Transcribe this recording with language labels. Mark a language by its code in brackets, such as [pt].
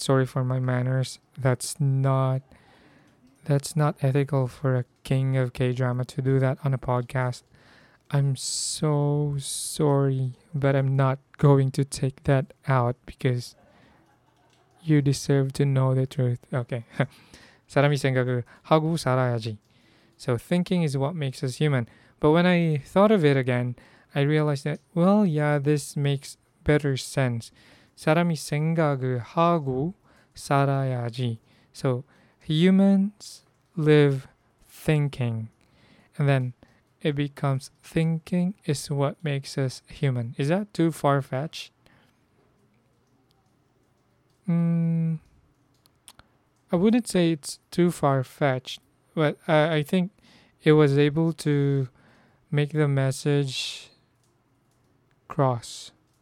[en] Sorry for my manners. That's not ethical for a king of K-drama to do that on a podcast. I'm so sorry, but I'm not going to take that out because you deserve to know the truth. Okay. [ko] 사람이 생각을 하고 살아야지. [en] So thinking is what makes us human. But when I thought of it again, I realized that, well, yeah, this makes better sense. [ko] 사람이 생각을 하고 살아야지. [en] So humans live thinking. And then it becomes thinking is what makes us human. Is that too far-fetched? I wouldn't say it's too far-fetched, but I think it was able to make the message cross.